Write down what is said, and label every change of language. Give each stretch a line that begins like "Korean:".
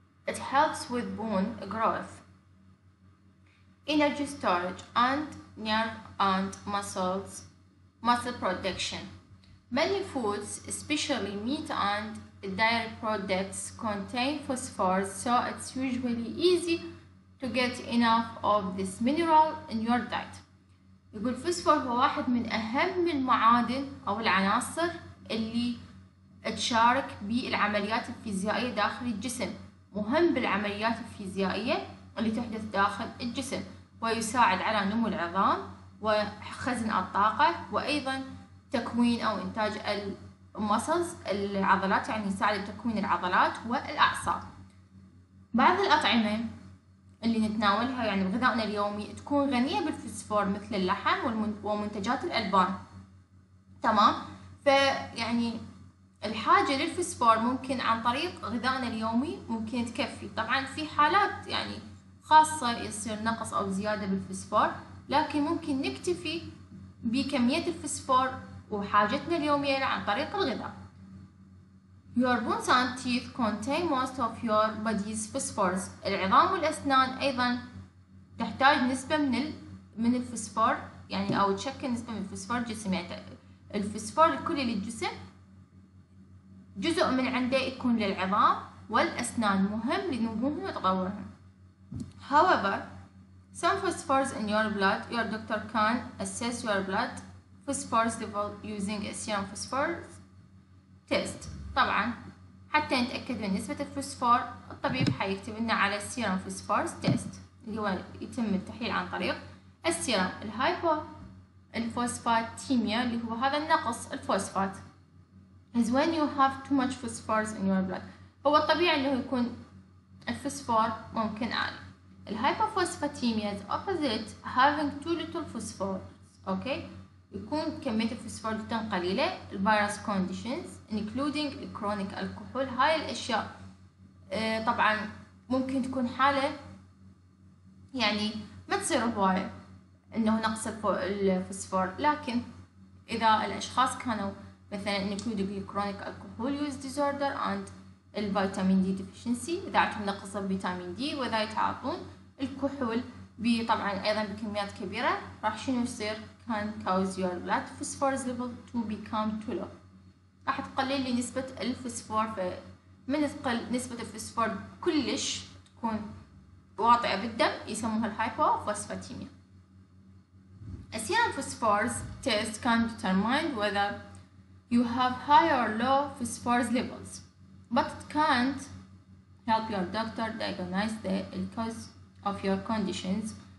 English: It helps with bone growth, energy storage, and nerve and muscle production. Many foods, especially meat and dairy products, contain phosphorus, so it's usually easy to get enough of this mineral in your diet.
Arabic: يقول الفوسفور هو واحد من أهم المعادن أو العناصر اللي تشارك بالعمليات الفيزيائية داخل الجسم، مهم بالعمليات الفيزيائية اللي تحدث داخل الجسم، ويساعد على نمو العظام وخزن الطاقة وأيضا تكوين أو إنتاج المسلز العضلات، يعني يساعد بتكوين العضلات والأعصاب. بعض الأطعمة اللي نتناولها يعني بغذائنا اليومي تكون غنية بالفوسفور مثل اللحم ومنتجات الألبان، تمام؟ فيعني الحاجة للفوسفور ممكن عن طريق غذائنا اليومي ممكن تكفي. طبعا في حالات يعني خاصة يصير نقص أو زيادة بالفوسفور، لكن ممكن نكتفي بكمية الفوسفور وحاجتنا اليومية عن طريق الغذاء.
English: Your bones and teeth contain most of your body's phosphorus.
Arabic: العظام والأسنان أيضا تحتاج نسبة من الفوسفور، يعني أو تشكل نسبة من الفوسفور الجسم، يعني الفوسفور الكلي للجسم جزء من عنده يكون للعظام والأسنان، مهم لنموهم وتطورهم.
English: However, some phosphorus in your blood, your doctor can assess your blood phosphorus level using a serum phosphorus test.
Arabic: طبعا حتى نتأكد من نسبة الفوسفور الطبيب حيكتب لنا على
English: serum phosphorus test
Arabic: اللي هو يتم التحليل عن طريق السيرم. الهايبوفوسفاتيميا اللي هو هذا النقص الفوسفات.
English: Is when you have too much phosphorus in your blood.
Arabic: هو الطبيعي انه يكون الفوسفور ممكن عالي.
English: الهايبوفوسفاتيميا is opposite having too little phosphorus. Okay.
Arabic: يكون كمية الفوسفور جدا قليلة.
English: Various conditions including chronic alcohol.
Arabic: هاي الاشياء طبعا ممكن تكون حالة يعني ما تصير هواية انه نقص الفوسفور، لكن اذا الاشخاص كانوا مثلا
English: including chronic alcohol use disorder and vitamin D deficiency،
Arabic: إذا عندهم نقص فيتامين دي وإذا يتعاطون الكحول طبعا أيضا بكميات كبيرة، راح شنو يصير؟
English: can cause your blood phosphor level to become too low.
Arabic: راح تقلل لي نسبة الفوسفور، فمن تقل نسبة الفوسفور كلش تكون واطعة بالدم يسموها الهايبوفوسفاتيميا.
English: A serum phosphorus test can determine whether you have high or low phosphorus levels, but it can't help your doctor diagnose the cause of your conditions.